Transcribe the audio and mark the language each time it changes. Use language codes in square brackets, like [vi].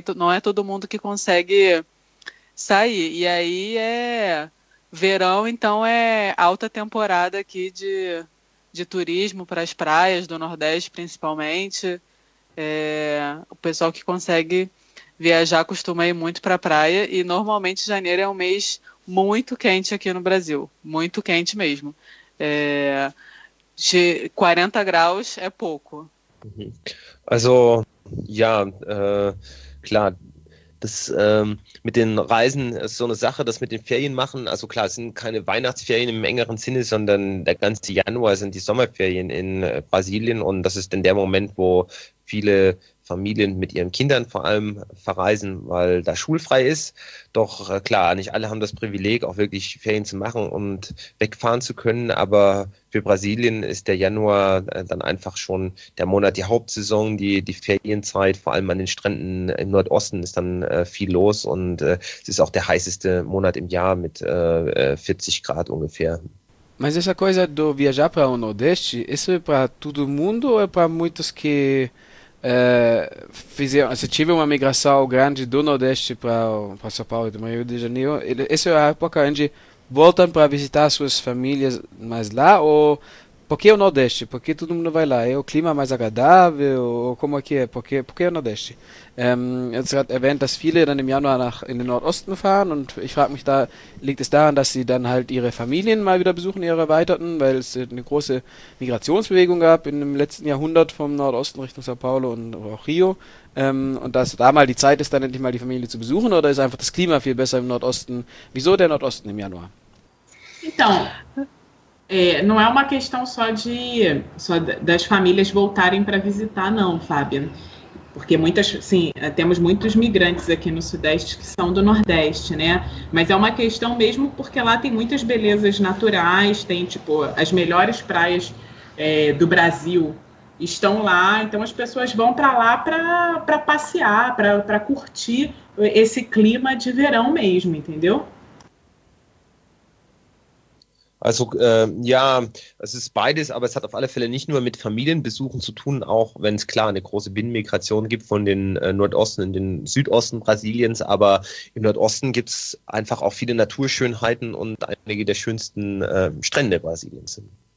[pt] Não é todo mundo que consegue sair. E aí é verão, então é alta temporada aqui de turismo para as praias do Nordeste, principalmente. O pessoal que consegue viajar costuma ir muito para a praia, e normalmente janeiro é um mês muito quente aqui no Brasil, muito quente mesmo. De 40 graus é pouco. [de] Also, ja, klar, mit den Reisen ist so eine Sache, das mit den Ferien machen. Also, klar, es sind keine Weihnachtsferien im engeren Sinne, sondern der ganze Januar sind die Sommerferien in Brasilien. Und das ist dann der Moment, wo viele Familien mit ihren Kindern vor allem verreisen, weil da schulfrei ist. Doch, klar, nicht alle haben das Privileg, auch wirklich Ferien zu machen und wegfahren zu können. Aber für Brasilien ist der Januar dann einfach schon der Monat, die Hauptsaison, die Ferienzeit, vor allem an den Stränden im Nordosten ist dann viel los und es ist auch der heißeste Monat im Jahr mit 40 Grad ungefähr. [pt] Mas essa coisa do viajar para o Nordeste, isso é para todo mundo ou é para muitos que fizeram, se tiver uma migração grande do Nordeste para São Paulo e do Rio de Janeiro, essa é a época onde voltam para visitar suas famílias mais lá? Ou por que o Nordeste? Por que todo mundo vai lá? É o clima mais agradável? Ou como é que é? Por que o Nordeste? [de] Es hat erwähnt, dass viele dann im Januar nach in den Nordosten fahren und ich frage mich da, liegt es daran, dass sie dann halt ihre Familien mal wieder besuchen, ihre erweiterten, weil es eine große Migrationsbewegung gab in dem letzten Jahrhundert vom Nordosten Richtung São Paulo und auch Rio, und dass da mal die Zeit ist, dann endlich mal die Familie zu besuchen oder ist einfach das Klima viel besser im Nordosten? Wieso der Nordosten im Januar? [pt] Então, não é uma questão só das famílias voltarem para visitar, não, Fábio. Porque muitas, sim, temos muitos migrantes aqui no Sudeste que são do Nordeste, né? Mas é uma questão mesmo porque lá tem muitas belezas naturais, tem, tipo, as melhores praias, do Brasil estão lá. Então as pessoas vão para lá para passear, para curtir esse clima de verão mesmo, entendeu? [de] Also ja, es ist beides, aber es hat auf alle Fälle nicht nur mit Familienbesuchen zu tun, auch wenn es klar eine große Binnenmigration gibt von den Nordosten in den Südosten Brasiliens. Aber im Nordosten gibt es einfach auch viele Naturschönheiten und einige der schönsten Strände Brasiliens sind.